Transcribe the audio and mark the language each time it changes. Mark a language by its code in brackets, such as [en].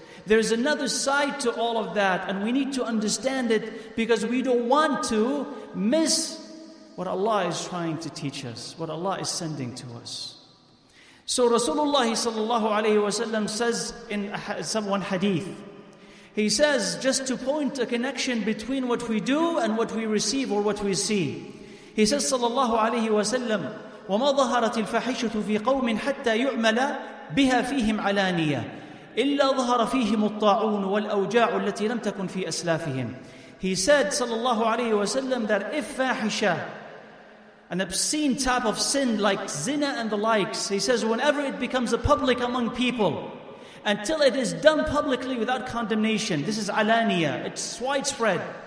[en] There's another side to all of that, and we need to understand it because we don't want to miss what Allah is trying to teach us, what Allah is sending to us. So Rasulullah sallallahu alayhi wa sallam says in one hadith, he says, just to point a connection between what we do and what we receive or what we see. He says sallallahu alayhi wa sallam, [ar] وَمَا ظَهَرَتِ الْفَحِشَةُ فِي قَوْمٍ حَتَّى يُعْمَلَ بِهَا فِيهِمْ عَلَانِيَةً إِلَّا ظَهَرَ فِيهِمُ الطَّاعُونُ وَالْأَوْجَاعُ الَّتِي لَمْ تَكُنْ فِي أَسْلَافِهِمْ. [en] He said sallallahu alayhi wa sallam that if fahisha, an obscene type of sin like zina and the likes, he says whenever it becomes a public among people, until it is done publicly without condemnation, this is alaniya, it's widespread.